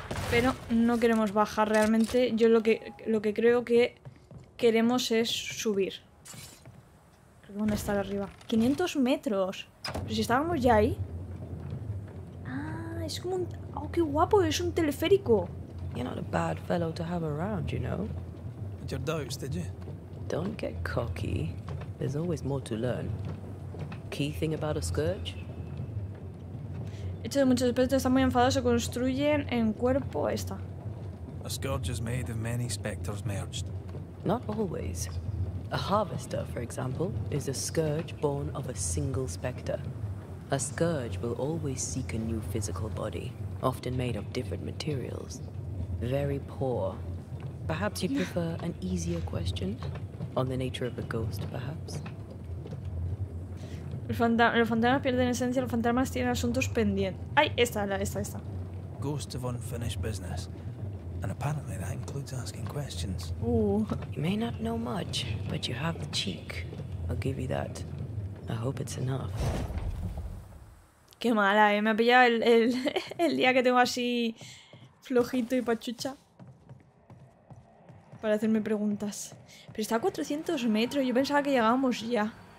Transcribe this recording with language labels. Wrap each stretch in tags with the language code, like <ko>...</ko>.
<es>Pero no queremos bajar realmente. Yo lo que creo que queremos es subir. ¿Dónde está arriba? 500 metros. Pero si estábamos ya ahí. Ah, es como un... Oh, qué guapo, es un teleférico.</es> <en>You're not a bad fellow to have around, you know. With your doubts, did you? Don't get cocky. There's always more to learn. Key thing about a scourge.</en> <es>Hecho de muchos espectros, está muy enfadado, se construyen en cuerpo esta.</es> <en>A scourge is made of many spectres merged. Not always. A harvester, for example, is a scourge born of a single specter. A scourge will always seek a new physical body, often made of different materials. Very poor. Perhaps you prefer an easier question? On the nature of a ghost, perhaps?</en> <es>Los fantasmas pierden esencia, los fantasmas tienen asuntos pendientes. ¡Ay! Esta.</es> <en>Ghost of unfinished business. And apparently that includes asking questions. Ooh. You may not know much, but you have the cheek. I'll give you that. I hope it's enough.</en> <es>Qué mala, ¿eh? Me ha pillado el día que tengo así flojito y pachucha. Para hacerme preguntas. Pero está a 400 metros, yo pensaba que llegábamos ya.</es>